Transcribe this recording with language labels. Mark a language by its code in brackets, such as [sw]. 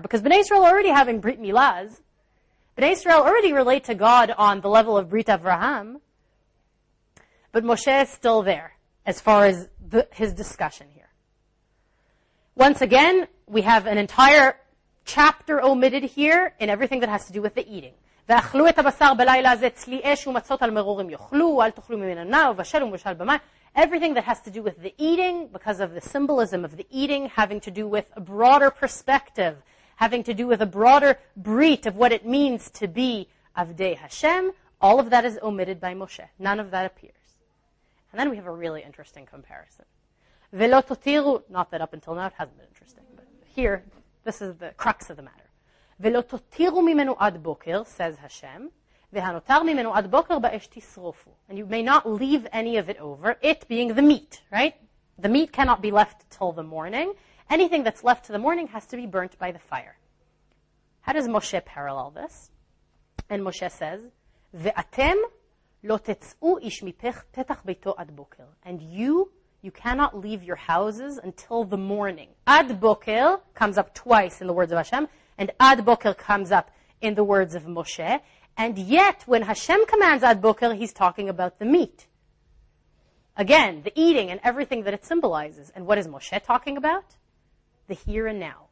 [en] Because Bnei Israel already having Brit Milahs, Bnei Israel already relate to God on the level of Brit Avraham, but Moshe is still there as far as his discussion here. Once again, we have an entire chapter omitted here in everything that has to do with the eating. [he] ואכלו את הבשר בלילה הזה, צלי אש ומצות על מרור הם יאכלו, אל תאכלו ממנה נע ובשל ומבשל במים. [en] Everything that has to do with the eating, because of the symbolism of the eating, having to do with a broader perspective, having to do with a broader breit of what it means to be Avdei Hashem, all of that is omitted by Moshe. None of that appears. And then we have a really interesting comparison. Velo totiru, not that up until now it hasn't been interesting, but here, this is the crux of the matter. [he] Velo totiru mimenu ad boker, [en] says Hashem, [he] והנותר ממנו עד בוקר באש תשרופו. [en] And you may not leave any of it over, it being the meat, right? The meat cannot be left till the morning. Anything that's left to the morning has to be burnt by the fire. How does Moshe parallel this? And Moshe says, [he] ואתם לא תצאו איש מפתח פתח ביתו עד בוקר. [en] And you cannot leave your houses until the morning. עד בוקר comes up twice in the words of Hashem, and עד בוקר comes up in the words of Moshe. And yet, when Hashem commands Ad Boker, he's talking about the meat. Again, the eating and everything that it symbolizes. And what is Moshe talking about? The here and now.